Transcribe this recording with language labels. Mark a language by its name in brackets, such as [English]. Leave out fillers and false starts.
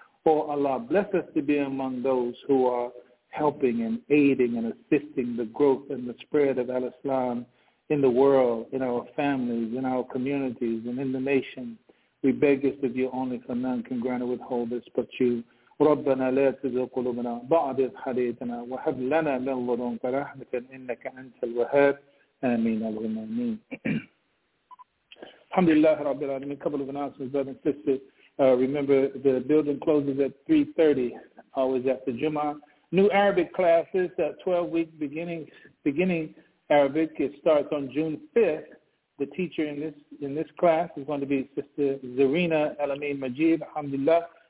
[English] Oh Allah, bless us to be among those who are helping and aiding and assisting the growth and the spread of Al-Islam in the world, in our families, in our communities, and in the nation. We beg this of you only, for none can grant or withhold this but you. [Arabic] ربنا لا تزغ قلوبنا بعد إذ هديتنا وهب لنا من لدنك رحمة إنك أنت الوهاب آمين اللهم آمين. الحمد لله رب العالمين. [English] Couple of announcements, brothers and sisters. Remember, the building closes at 3:30, always after Jummah. New Arabic classes, 12-week beginning Arabic. It starts on June 5th. The teacher in this class is going to be Sister Zarina Alameen Majid. Alhamdulillah.